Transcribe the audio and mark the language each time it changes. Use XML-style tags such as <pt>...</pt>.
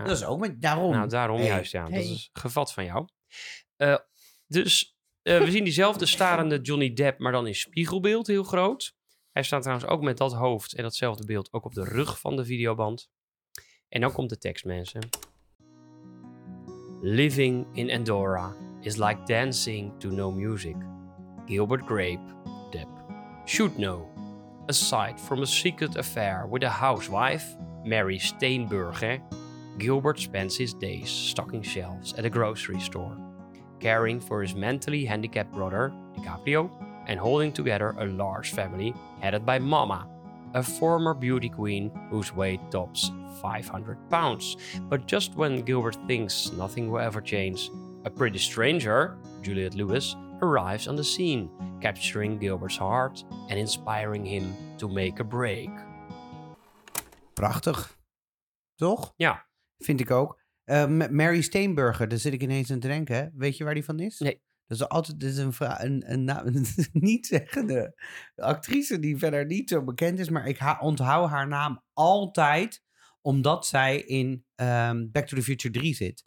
<nl>Ja. Dat is ook met, daarom. Nou, daarom juist, ja. Dat is gevat van jou. Dus we zien diezelfde starende Johnny Depp, maar dan in spiegelbeeld heel groot. Hij staat trouwens ook met dat hoofd en datzelfde beeld ook op de rug van de videoband. En dan komt de tekst, mensen.</nl> <en>Living in Andorra is like dancing to no music. Gilbert Grape, Depp, should know. Aside from a secret affair with a housewife, Mary Steenburgen, Gilbert spends his days stocking shelves at a grocery store, caring for his mentally handicapped brother, DiCaprio, and holding together a large family headed by Mama, a former beauty queen whose weight tops 500 pounds. But just when Gilbert thinks nothing will ever change, a pretty stranger, Juliette Lewis, arrives on the scene, capturing Gilbert's heart and inspiring him to make a break.</en> <nl>Prachtig, toch? Ja. Vind ik ook. Mary Steenburgen, daar zit ik ineens aan het denken. Weet je waar die van is? Nee. Dat is altijd een niet-zeggende actrice die verder niet zo bekend is. Maar ik onthoud haar naam altijd omdat zij in Back to the Future 3 zit.</nl>